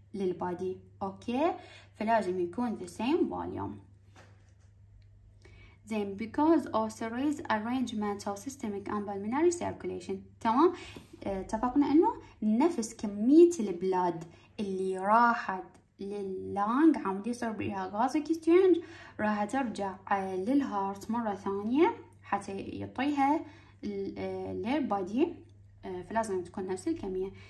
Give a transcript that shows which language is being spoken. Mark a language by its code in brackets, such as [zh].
[ar] للبادي، اوكي؟ فلازم يكون the same volume. [en] Then because of series arrangement of systemic and pulmonary circulation. [ar] تمام؟ اتفقنا انه نفس كمية البلاد اللي راحت لللانج عم يصير بيها غاز اكستشينج راح ترجع للهارت مرة ثانية حتى يعطيها للبادي، فلازم تكون نفس الكمية.